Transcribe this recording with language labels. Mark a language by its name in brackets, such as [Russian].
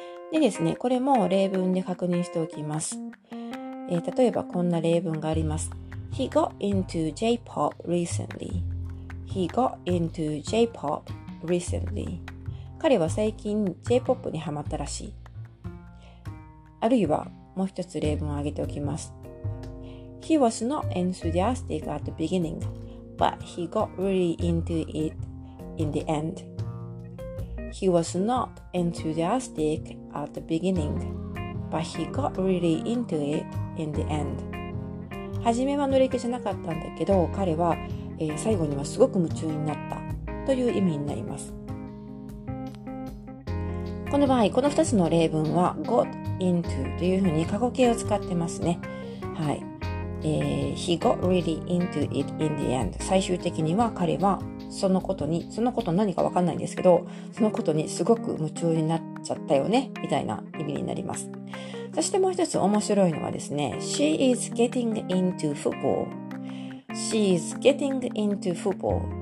[Japanese] でですね、これも例文で確認しておきます。例えばこんな例文があります。 [English] He got into J-pop recently. He got into J-pop recently. [Japanese] 彼は最近 J-pop にハマったらしい。あるいはもう一つ例文を挙げておきます。 [English] He was not enthusiastic at the beginning, but he got really into it in the end. He was not enthusiastic at the beginning, but he got really into it in the end. [Japanese] はじめは乗り気じゃなかったんだけど、彼は、最後にはすごく夢中になったという意味になります。この場合、この2つの例文は got into というふうに過去形を使ってますね。はい。 [English] He got really into it in the end. [Japanese] 最終的には彼はそのこと何か分かんないんですけど、そのことにすごく夢中になっちゃったよね、みたいな意味になります。そしてもう一つ面白いのはですね、 [English] She is getting into football. She is getting into football.